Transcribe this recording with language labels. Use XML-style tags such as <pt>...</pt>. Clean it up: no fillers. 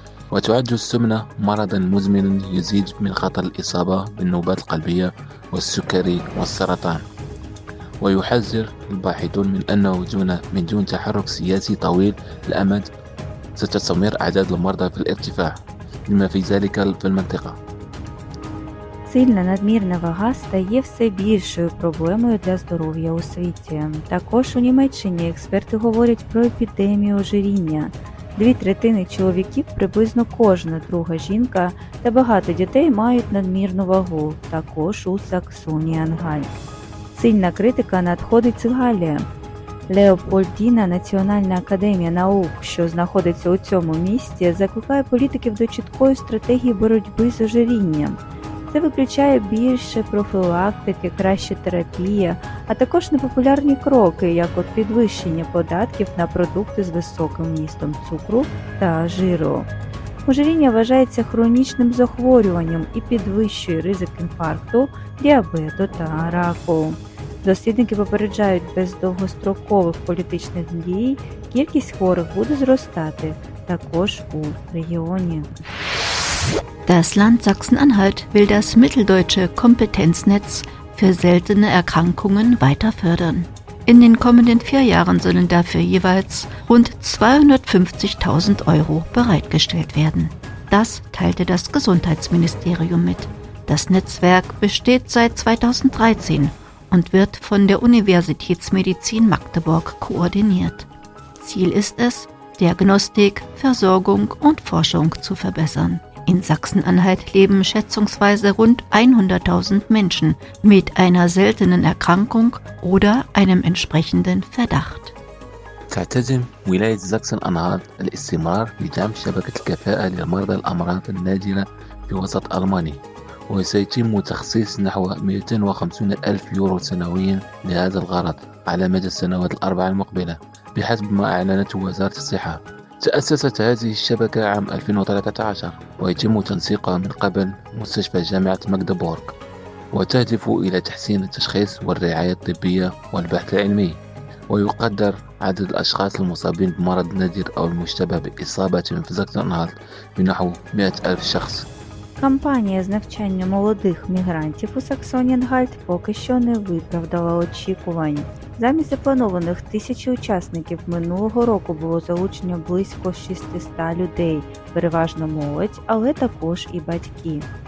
<ar>وتعد السمنة مرضا مزمنا يزيد من خطر الإصابة بالنوبات القلبية والسكري والسرطان. ويحذر الباحثون من أنه من دون تحرك سياسي طويل الأمد ستستمر أعداد المرضى في الارتفاع لما في ذلك في المنطقة.</ar> <uk>Сильна надмірна вага стає все більшою проблемою для здоров'я у світі. Також у Німеччині експерти говорять про епідемію ожиріння. Дві третини чоловіків, приблизно кожна друга жінка та багато дітей мають надмірну вагу, також у Саксонії-Анхальт. Сильна критика надходить з Галії. Леопольдіна, Національна академія наук, що знаходиться у цьому місті, закликає політиків до чіткої стратегії боротьби з ожирінням. Це виключає більше профілактики, краща терапія, а також непопулярні кроки, як от підвищення податків на продукти з високим вмістом цукру та жиру. Ожиріння вважається хронічним захворюванням і підвищує ризик інфаркту, діабету та раку. Дослідники попереджають, без довгострокових політичних дій кількість хворих буде зростати також у регіоні.</uk> <de>Das Land Sachsen-Anhalt will das mitteldeutsche Kompetenznetz für seltene Erkrankungen weiter fördern. In den kommenden 4 Jahren sollen dafür jeweils rund 250.000 Euro bereitgestellt werden. Das teilte das Gesundheitsministerium mit. Das Netzwerk besteht seit 2013 und wird von der Universitätsmedizin Magdeburg koordiniert. Ziel ist es, Diagnostik, Versorgung und Forschung zu verbessern. In Sachsen-Anhalt leben schätzungsweise rund 100.000 Menschen mit einer seltenen Erkrankung oder einem entsprechenden Verdacht.</de> <ar>تعتزم ولاية سachsen-Anhalt الاستمرار بدعم شبكة الكفاءة لمرضى الأمراض النادرة في وسط ألمانيا، وسيتم تخصيص نحو 250 ألف يورو سنويا لهذا الغرض على مدى السنوات الأربع المقبلة بحسب ما أعلنته وزارة الصحة. تأسست هذه الشبكة عام 2013 ويتم تنسيقها من قبل مستشفى جامعة ماجدبورغ، وتهدف إلى تحسين التشخيص والرعاية الطبية والبحث العلمي. ويقدر عدد الأشخاص المصابين بمرض نادر أو المشتبه بإصابة في زكتنهار بنحو 100,000 شخص.</ar> <uk>Кампанія з навчання молодих мігрантів у Саксонії-Анхальт поки що не виправдала очікувань. Замість запланованих 1000 учасників минулого року було залучено близько 600 людей, переважно молодь, але також і батьки.</uk>